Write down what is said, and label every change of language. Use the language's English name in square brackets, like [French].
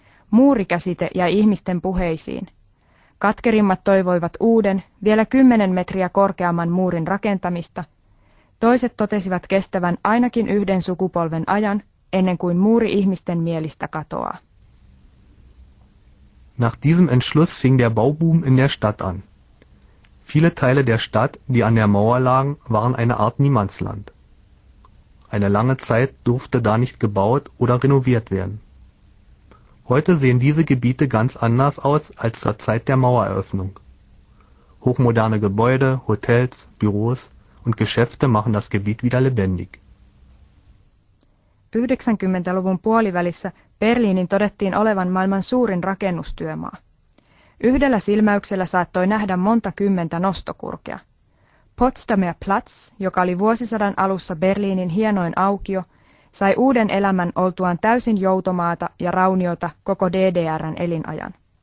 [Finnish] Muurikäsite jäi ihmisten puheisiin. Katkerimmat toivoivat uuden, vielä 10 metriä korkeamman muurin rakentamista. Toiset totesivat kestävän ainakin yhden sukupolven ajan, ennen kuin muuri ihmisten mielistä katoaa. [German] Nach diesem Entschluss fing der Bauboom in der Stadt an. Viele Teile der Stadt, die an der Mauer lagen, waren eine Art Niemandsland. Eine lange Zeit durfte da nicht gebaut oder renoviert werden. Heute sehen diese Gebiete ganz anders aus als zur Zeit der Mauereröffnung. Hochmoderne Gebäude, Hotels, Büros und Geschäfte machen das Gebiet wieder lebendig. [Finnish] 90-luvun puolivälissä Berliinin todettiin olevan maailman suurin rakennustyömaa. Yhdellä silmäyksellä saattoi nähdä monta kymmentä nostokurkea. Potsdamer Platz, joka oli vuosisadan alussa Berliinin hienoin aukio, sai uuden elämän oltuaan täysin joutomaata ja rauniota koko DDR:n elinajan.